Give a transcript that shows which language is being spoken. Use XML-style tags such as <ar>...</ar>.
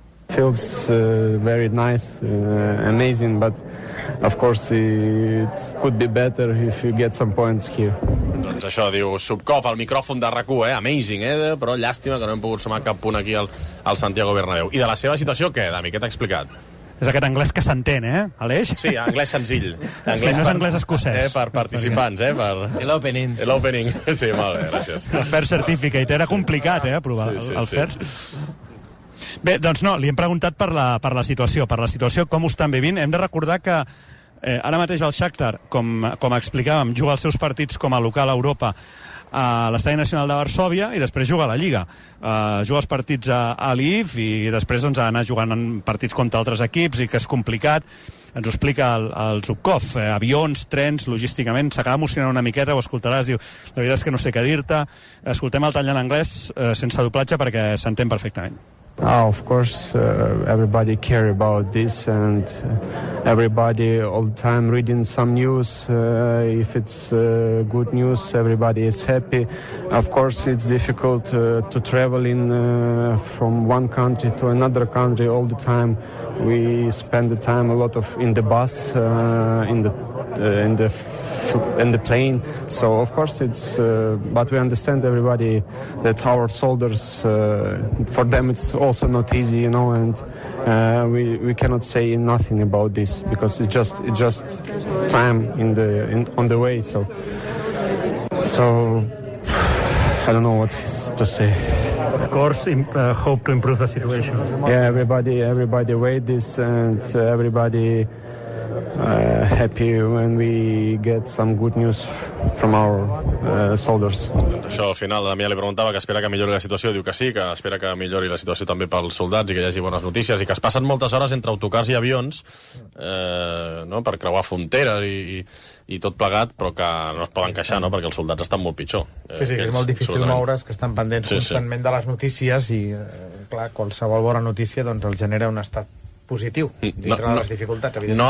<en>Feels very nice, amazing, but of course it could be better if you get some points here.</en> <ca>Doncs això diu Subkov al micròfon de RAC1, amazing, però llàstima que no hem pogut sumar cap punt aquí al Santiago Bernabéu. I de la seva situació, què, Dami, què t'ha explicat? És aquest anglès que s'entén, Aleix? Sí, anglès senzill. Anglès, sí, no és anglès escocès. Per participants, per... L'opening. Sí, molt bé, gràcies. El First Certificate era complicat, provar el First. Sí. Bé, doncs no, li hem preguntat per la situació, com ho estan vivint. Hem de recordar que ara mateix el Shakhtar, com explicàvem, juga els seus partits com a local a Europa a l'Estadi Nacional de Varsovia i després juga a la Lliga. Juga els partits a l'IF i després doncs, ha anat jugant en partits contra altres equips i que és complicat. Ens ho explica el Subkov. Avions, trens, logísticament, s'acaba emocionant una miqueta, ho escoltaràs, diu, la veritat és que no sé què dir-te. Escoltem el tall en anglès sense doblatge perquè s'entén perfectament.</ca> <en>Oh, of course, everybody care about this, and everybody all the time reading some news. If it's good news, everybody is happy. Of course, it's difficult to travel in from one country to another country all the time. We spend the time a lot of in the bus, in the plane. So of course it's, but we understand everybody that our soldiers, for them it's also not easy, you know, and we cannot say nothing about this because it's just time on the way. So I don't know what to say. Of course, hope to improve the situation. Yeah, everybody wait this, and everybody happy when we get some good news from our soldiers.</en> <ca>Això, al final, Damià li preguntava que espera que millori la situació. Diu que sí, que espera que millori la situació també pels soldats i que hi hagi bones notícies. I que es passen moltes hores entre autocars i avions no, per creuar fronteres i tot plegat, però que no es poden queixar, no, perquè els soldats estan molt pitjor. Sí, sí, que és molt difícil moure's, que estan pendents constantment de les notícies i, clar, qualsevol bona notícia doncs el genera un estat positiu, dintre de les dificultats, evidentment.</ca>